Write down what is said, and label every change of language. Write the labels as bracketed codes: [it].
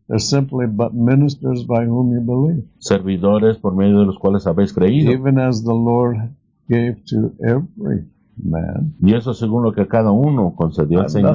[en] They're simply but ministers by whom you believe. [es] Servidores por medio de los cuales habéis creído. [en] Even as the Lord gave to every man. [es] Y eso según lo que cada uno concedió al Señor.